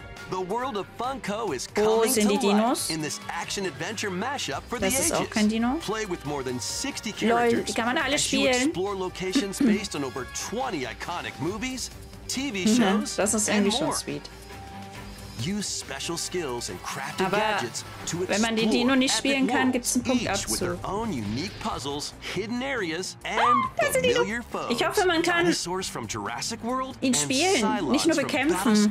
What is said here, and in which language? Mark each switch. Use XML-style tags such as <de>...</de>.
<en>The world of Funko is coming to life in this action-adventure mashup for the ages. Play with more than 60 characters.</en> <de>Kann man alle spielen.</de> <en>You explore locations based on over 20 iconic movies, TV shows,</en> <de>das ist</de> <en>and more. Sweet. Use special skills and crafted gadgets to explore.</en> <de>Wenn man die Dino nicht spielen kann, gibt's einen Punkt Abzug.</de> <en>With their own unique puzzles, hidden areas, and familiar foes.</en> <de>Ich hoffe, man kann Dinosaurs from Jurassic World ihn spielen, nicht nur bekämpfen.</de>